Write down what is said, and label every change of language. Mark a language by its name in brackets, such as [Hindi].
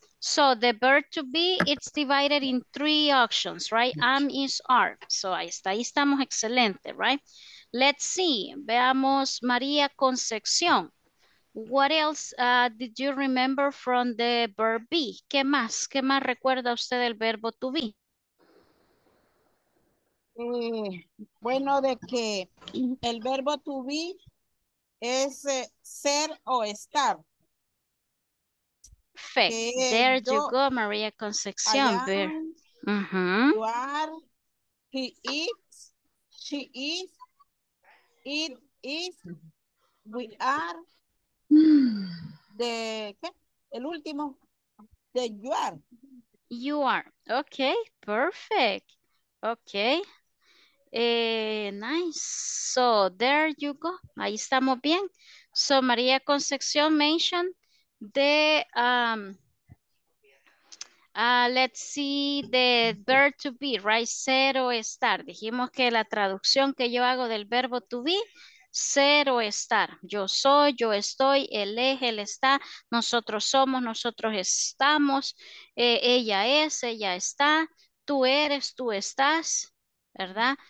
[English] So, the verb to be, it's divided in three options, right? Am, is, are. [Spanish] So, ahí está, ahí estamos, excelente, right? [English] Let's see, [Spanish] veamos María Concepción. [English] What else did you remember from the verb be? [Spanish] ¿Qué más? ¿Qué más recuerda usted del verbo to be? Bueno, de que el verbo to be es ser o estar. [English] Perfect. There you go, María Concepción. I am, uh-huh. You are, he eats, she eats, it is, we are, the, [Spanish] ¿qué? El último, [English] the you are. You are. Okay, perfect. Okay. Nice. So there you go. [Spanish] Ahí estamos bien. [English] So María Concepción mentioned the let's see the verb to be, right? [Spanish] Ser o estar. Dijimos que la traducción que yo hago del verbo to be, ser o estar. Yo soy, yo estoy, él es, él está, nosotros somos, nosotros estamos, ella es, ella está, tú eres, tú estás, ¿verdad?